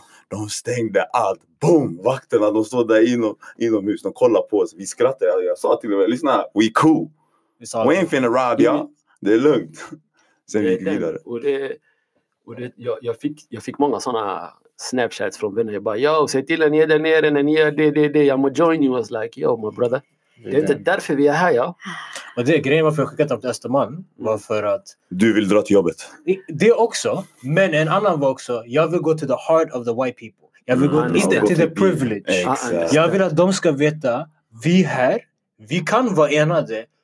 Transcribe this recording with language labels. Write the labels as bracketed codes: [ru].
[sv] De stängde allt. Boom! Vakterna, de stod där inomhus. De kollade på oss. Vi skrattade. Jag sa till dem, lyssna, [en] we cool. We ain't finna rob, ja. [sv] Det är lugnt. [en] Sen gick vi vidare. [sv] Och det, jag fick många sådana snapshots från vänner. Jag bara, yo, se till att ni är där nere när ni gör det. [en] I'm gonna join you. I was like, yo, my brother. [sv] Det är inte därför vi är här, ja. Och det är grejen varför jag skickat dem till Östermalm. Var för att... Du vill dra till jobbet. Det också. Men en annan var också, jag vill gå till [en] the heart of the white people. [sv] Jag vill gå till [en] the privilege. Exactly. [sv] Jag vill att de ska veta, vi här, vi kan vara enade.